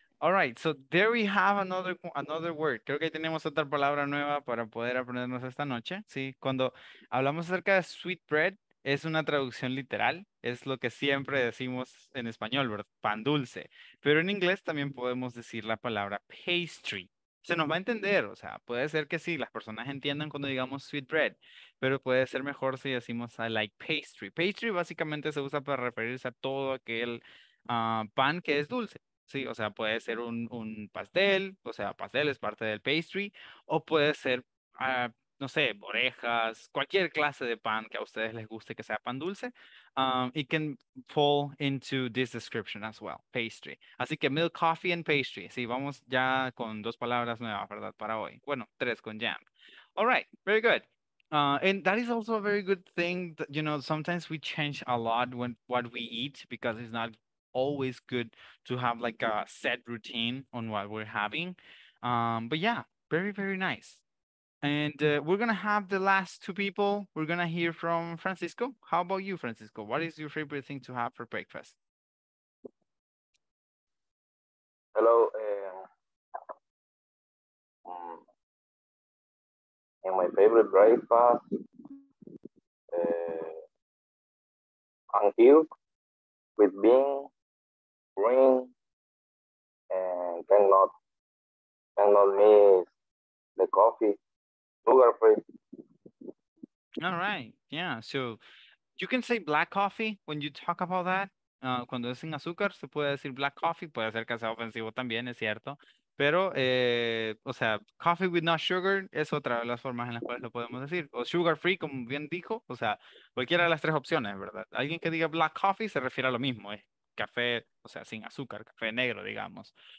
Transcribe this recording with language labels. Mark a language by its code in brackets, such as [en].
[en] All right, so there we have another word. [es] Creo que tenemos otra palabra nueva para poder aprendernos esta noche. Sí, cuando hablamos acerca de sweet bread, es una traducción literal. Es lo que siempre decimos en español, ¿verdad? Pan dulce. Pero en inglés también podemos decir la palabra pastry. Se nos va a entender, o sea, puede ser que sí, las personas entiendan cuando digamos sweet bread, pero puede ser mejor si decimos [en] I like pastry. [es] Pastry básicamente se usa para referirse a todo aquel pan que es dulce, sí, o sea, puede ser un pastel, o sea, pastel es parte del pastry, o puede ser, no sé, orejas, cualquier clase de pan que a ustedes les guste que sea pan dulce. [en] It can fall into this description as well, pastry. [es] Así que [en] milk, coffee, and pastry. [es] Sí, vamos ya con dos palabras nuevas, ¿verdad? Para hoy. Bueno, tres con jam. [en] All right, very good. And that is also a very good thing. That, you know, sometimes we change a lot when what we eat because it's not always good to have like a set routine on what we're having. But yeah, very, very nice. And we're going to have the last two people. We're going to hear from Francisco. How about you, Francisco? What is your favorite thing to have for breakfast? Hello. And my favorite breakfast, pancake with beans, green cannot miss the coffee, sugar free. All right, yeah, so you can say black coffee when you talk about that. [es] Cuando es sin azúcar, se puede decir black coffee, puede ser que sea ofensivo también, es cierto. Pero, o sea, [en] coffee with no sugar [es] es otra de las formas en las cuales lo podemos decir. O sugar free, como bien dijo, o sea, cualquiera de las tres opciones, ¿verdad? Alguien que diga black coffee se refiere a lo mismo, es café, o sea, sin azúcar, café negro, digamos.